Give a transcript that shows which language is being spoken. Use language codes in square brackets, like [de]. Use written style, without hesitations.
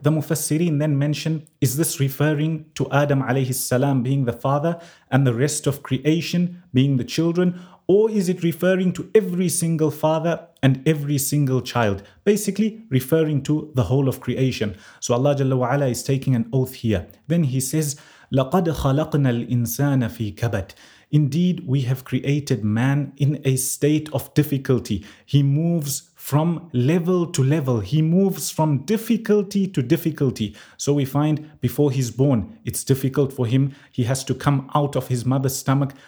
[en] The Mufassirin then mention, is this referring to Adam alayhi salam being the father and the rest of creation being the children? Or is it referring to every single father and every single child? Basically, referring to the whole of creation. So Allah Jalla wa Ala is taking an oath here. Then he says, [ar] لَقَدْ خَلَقْنَا الْإِنسَانَ فِي كَبَدٍ. [en] Indeed, we have created man in a state of difficulty. He moves from level to level. He moves from difficulty to difficulty. So we find before he's born, it's difficult for him. He has to come out of his mother's stomach.